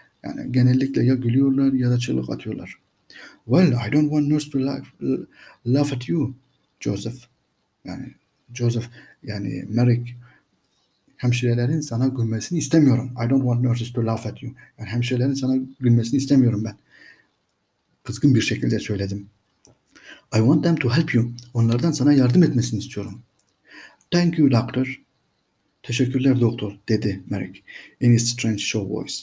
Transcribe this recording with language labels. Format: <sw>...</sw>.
<tr>Yani genellikle ya gülüyorlar ya da çığlık atıyorlar.</tr> <en>Well, I don't want nurse to laugh at you, Joseph.</en> <tr>Yani Joseph, yani Merrick, hemşirelerin sana gülmesini istemiyorum.</tr> <en>I don't want nurses to laugh at you.</en> <tr>Yani hemşirelerin sana gülmesini istemiyorum ben. Kızgın bir şekilde söyledim.</tr> <en>I want them to help you.</en> <tr>Onlardan sana yardım etmesini istiyorum.</tr> <en>Thank you, doctor.</en> <tr>Teşekkürler doktor, dedi Merrick.</tr> <en>In his strange, show voice.</en>